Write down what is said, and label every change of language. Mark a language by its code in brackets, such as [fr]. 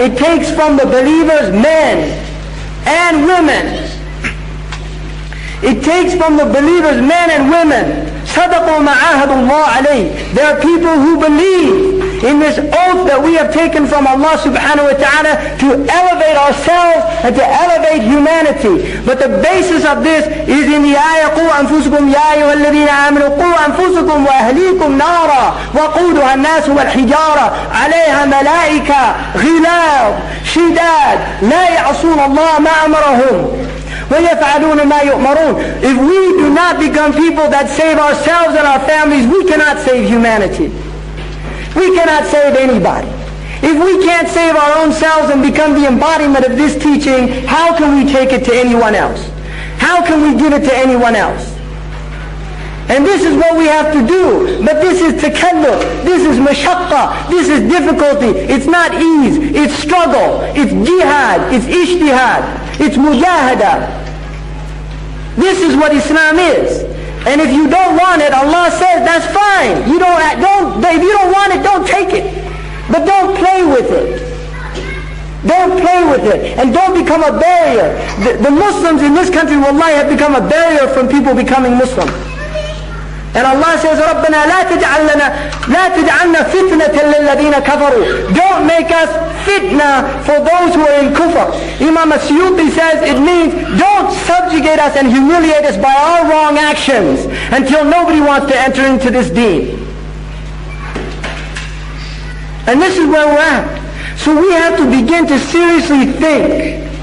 [en] It takes from the believers men and women. It takes from the believers men and women. [ar] صَدَقُوا مَا عَهَدُ اللَّهُ عَلَيْهِ. [en] There are people who believe in this oath that we have taken from Allah subhanahu wa ta'ala to elevate ourselves and to elevate humanity. But the basis of this is in the ayah, [ar] قُوْ أَنفُسُكُمْ يَا أَيُّهَا الَّذِينَ آمَنُوا قُوْ أَنفُسُكُمْ وَأَهْلِيكُمْ نَارًا وَقُودُهَا النَّاسُ وَالْحِجَارَةُ عَلَيْهَا مَلَائِكَةٌ غِلَاظٌ شِدَادٌ لَا يَعْصُونَ اللَّهَ مَا أَمَرَهُمْ وَيَفْعَلُونَ مَا يُؤْمَرُونَ. [en] If we do not become people that save ourselves and our families, we cannot save humanity. We cannot save anybody. If we can't save our own selves and become the embodiment of this teaching, how can we take it to anyone else? How can we give it to anyone else? And this is what we have to do. But this is takalluf. This is mashakka. This is difficulty. It's not ease. It's struggle. It's jihad. It's ishtihad. It's mujahada. This is what Islam is. And if you don't want it, Allah says, that's fine. If you don't want it, don't take it. But don't play with it. Don't play with it. And don't become a barrier. The Muslims in this country, wallahi, have become a barrier from people becoming Muslim. And Allah says, [ar] رَبَّنَا لَا تَجْعَلْنَا فِتْنَةً لِلَّذِينَ كَفَرُوا. [en] Don't make us fitna for those who are in kufr. Imam Asyuti says, it means, don't subjugate us and humiliate us by our wrong actions until nobody wants to enter into this deen. And this is where we're at. So we have to begin to seriously think.